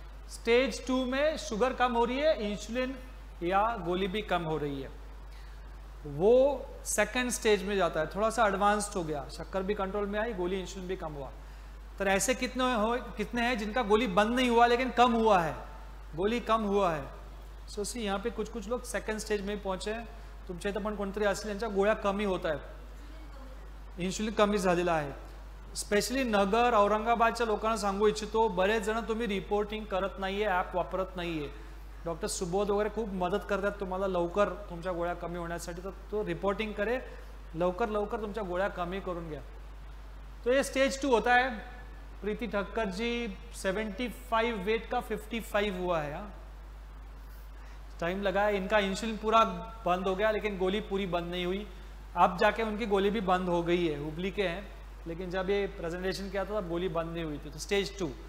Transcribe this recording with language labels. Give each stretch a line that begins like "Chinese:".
Hindi: Stage 2 में sugar कम हो रही है, इंसुलिन या गोली भी कम हो रही है, वो 2nd स्टेज में जाता है, थोड़ा सा एडवांस्ड हो गया, शक्कर भी कंट्रोल में आई, गोली इंसुलिन भी कम हुआ। तो ऐसे कितने हैं जिनका गोली बंद नहीं हुआ लेकिन कम हुआ है, गोली कम हुआ है। सो सी यहाँ पे कुछ कुछ लोग 2nd स्टेज में पहुंचे हैं,
Marathi: तुमचे तो पण कोणतरी असेल ज्यांचा गोळ्या कमी होत आहेत, इन्सुलिन कमी झालेला आहे। स्पेशली नगर औरंगाबादच्या लोकांना सांगू इच्छितो, बरेच जण तुम्ही रिपोर्टिंग करत नाहीये, ॲप वापरत नाहीये, डॉक्टर सुबोध वगैरे खूप मदत करतात तुम्हाला लवकर तुमच्या गोळ्या कमी होण्यासाठी, तर तो रिपोर्टिंग करे, लवकर लवकर तुमच्या गोळ्या कमी करून घ्या। तो हे स्टेज 2 होता आहे।
Hindi: प्रीती ठक्कर जी 75 वेट का 55 हुआ है, टाइम लगा है इनका, इंसुलिन पूरा बंद हो गया लेकिन गोली पूरी बंद नहीं हुई, अब जाके उनकी गोली भी बंद हो गई है, हुबली के हैं, लेकिन जब ये प्रेजेंटेशन किया था तब गोली बंद नहीं हुई थी। तो स्टेज 2।